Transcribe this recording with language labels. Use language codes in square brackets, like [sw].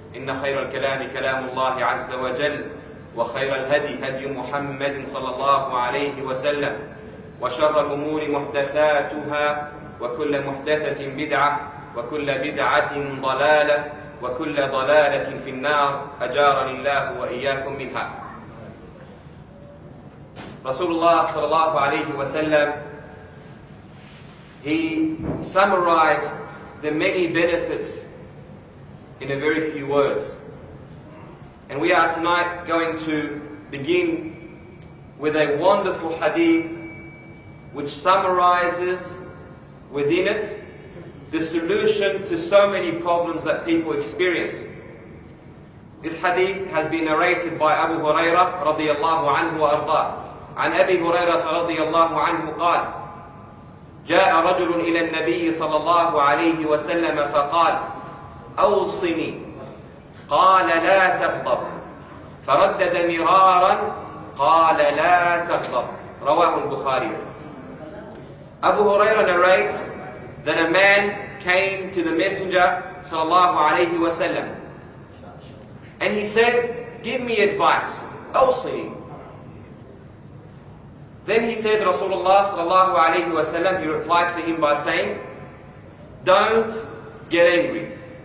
[ar] إن خير الكلام كلام الله عز وجل، وخير الهدي هدي محمد صلى الله عليه وسلم، وشر الأمور محدثاتها، وكل محدثة بدعة، وكل بدعة ضلالة، وكل ضلالة في النار، أجارني الله وإياكم منها. رسول الله صلى الله عليه وسلم [en] He summarized the many benefits in a very few words. And we are tonight going to begin with a wonderful hadith which summarizes within it the solution to so many problems that people experience. This hadith has been narrated by Abu Hurairah radiallahu anhu arda. [ar] عن أبي هريرة رضي الله عنه قال جاء رجل إلى النبي صلى الله عليه وسلم فقال أوصني، قال لا تغضب، فردد مرارا قال لا تغضب. رواه البخاري. [en] Abu Hurairah narrates that a man came to the messenger [ar] صلى الله عليه وسلم [en] and he said, give me advice, أوصني. Then he said, Rasulullah sallallahu alayhi wa sallam, he replied to him by saying, don't get angry.